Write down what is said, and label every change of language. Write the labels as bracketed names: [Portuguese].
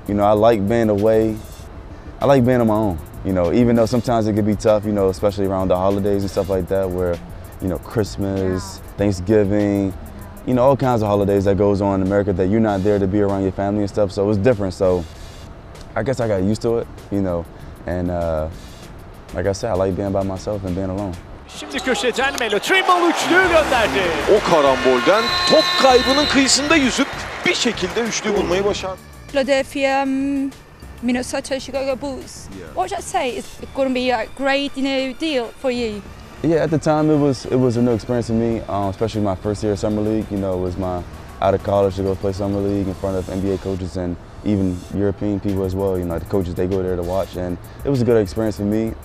[English] You know, I like being away. I like being on my own. You know, even though sometimes it can be tough, you know, especially around the holidays and stuff like that, where, you know, Christmas, Thanksgiving, you know, all kinds of holidays that goes on in America that you're not there to be around your family and stuff. So it's different. So I guess I got used to it, you know, and like I said, I like being by myself and being alone. [Turkish] Şimdi köşeden Melo, Trimble üçlüğü gönderdi. O karambolden top kaybının kıyısında yüzüp bir şekilde üçlüğü bulmayı başardı. [English] Philadelphia, Minnesota, Chicago Bulls. Yeah. What should I say? It's going to be a great, you know, deal for you. Yeah, at the time it was a new experience for me, especially my first year of summer league. You know, it was my out of college to go play summer league in front of NBA coaches and even European people as well. You know, the coaches, they go there to watch, and it was a good experience for me.